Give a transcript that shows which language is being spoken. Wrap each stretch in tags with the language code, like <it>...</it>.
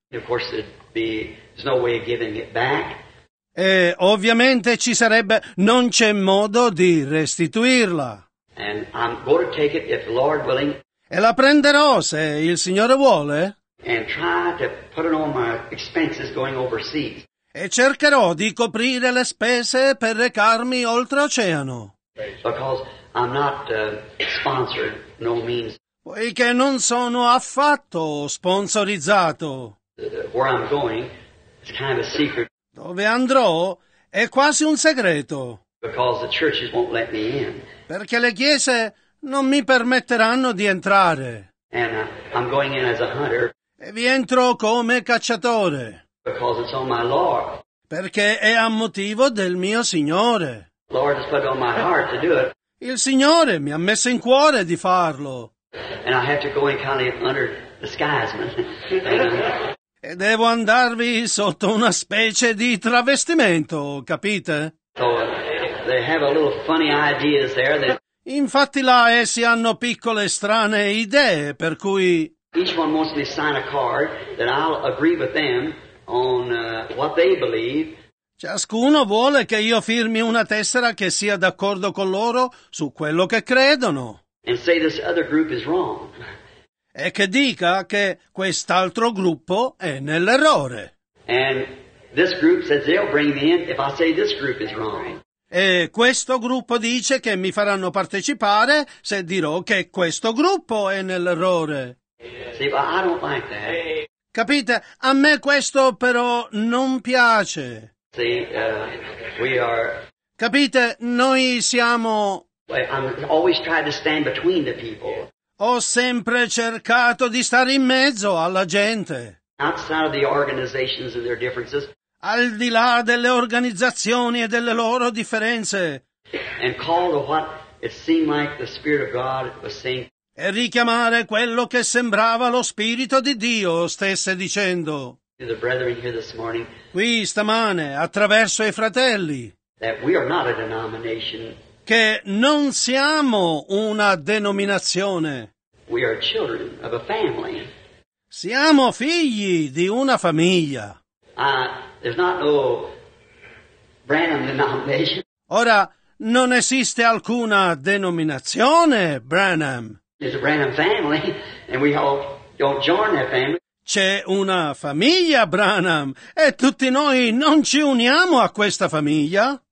<en>There's no way of giving it back.</en> <it>E ovviamente ci sarebbe, non c'è modo di restituirla.</it> <en>And I'm going to take it if the Lord willing.</en> <it>E la prenderò se il Signore vuole.</it> <en>And try to put it on my expenses going overseas.</en> <it>E cercherò di coprire le spese per recarmi oltreoceano.</it> <en>Because I'm not sponsored, no means.</en> <it>Poiché non sono affatto sponsorizzato.</it> <en>Where I'm going, it's kind of a secret.</en> <it>Dove andrò è quasi un segreto.</it> <en>Because the churches won't let me in.</en> <it>Perché le chiese non mi permetteranno di entrare.</it> <en>And I'm going in as a hunter.</en> <it>E vi entro come cacciatore.</it> <en>Because it's on my Lord.</en> <it>Perché è a motivo del mio Signore.</it> <en>Lord has put on my heart to do it.</en> <it>Il Signore mi ha messo in cuore di farlo.</it> <en>And I have to go in kind of under disguisement.</en> <it>E devo andarvi sotto una specie di travestimento, capite?</it> <en>So, they have a little funny ideas there that...</en> <it>Infatti là essi hanno piccole strane idee, per cui...</it> <en>Each one wants me to sign a card that I'll agree with them on what they believe.</en> <it>Ciascuno vuole che io firmi una tessera che sia d'accordo con loro su quello che credono.</it> <en>And say this other group is wrong.</en> <it>E che dica che quest'altro gruppo è nell'errore.</it> <en>And this group says they'll bring me in if I say this group is wrong.</en> <it>E questo gruppo dice che mi faranno partecipare se dirò che questo gruppo è nell'errore.</it> <en>See, but I don't like that.</en> <it>Capite? A me questo però non piace.</it> <en>See, we are...</en> <it>Capite? Noi siamo...</it> <en>I'm always trying to stand between the people.</en> <it>Ho sempre cercato di stare in mezzo alla gente.</it> <en>Outside of the organizations and their differences.</en> <it>Al di là delle organizzazioni e delle loro differenze.</it> <en>And call to what it seemed like the Spirit of God was saying.</en> <it>E richiamare quello che sembrava lo Spirito di Dio stesse dicendo.</it> <en>To the brethren here this morning.</en> <it>Qui stamane, attraverso i fratelli.</it> <en>That we are not a denomination.</en> <it>Che non siamo una denominazione.</it> <en>We are children of a family.</en> <it>Siamo figli di una famiglia.</it> <en>There's not no Branham denomination.</en> <it>Ora, non esiste alcuna denominazione, Branham.</it> <en>There's a Branham family, and we all don't join that family.</en> <it>C'è una famiglia, Branham, e tutti noi non ci uniamo a questa famiglia.</it>